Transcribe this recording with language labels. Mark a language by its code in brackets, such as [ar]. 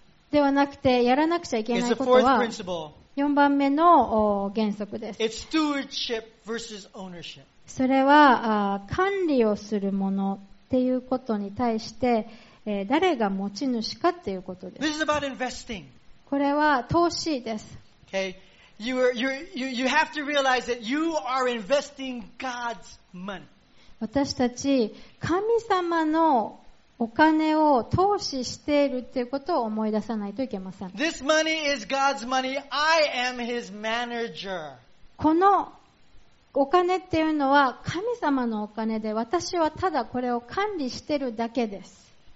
[ja] ではなくて、やらなくちゃいけないことは4番目の原則です。 [en] It's stewardship versus ownership. [ja] それは管理をするものっていうことに対して誰が持ち主かっていうことです。 [en] This is about investing. [ja] これは投資です。 [en] Okay. You have to realize that you are investing God's money. [ja] 私たち神様のお金を投資しているということを思い出さないといけません。 [en] This money is God's money. I am His manager. [ja] このお金っていうのは神様のお金で、私はただこれを管理しているだけです。